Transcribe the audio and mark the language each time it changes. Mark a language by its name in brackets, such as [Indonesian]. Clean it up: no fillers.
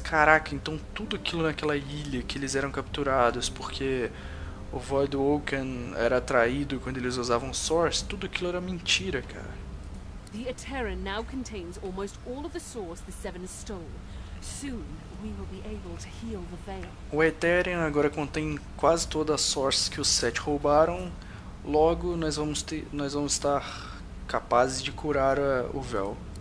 [Portuguese] Caraca, então tudo aquilo naquela ilha que eles eram capturados porque o Voidwalking era traído quando eles usavam Source, tudo aquilo era mentira, cara. [English] The Aterran now contains almost all of the Source the Seven stole. Soon we will be able to heal the Veil. [Portuguese] O Aterran agora contém quase toda a Source que os Sete roubaram. Logo, nós vamos estar capazes de curar o véu.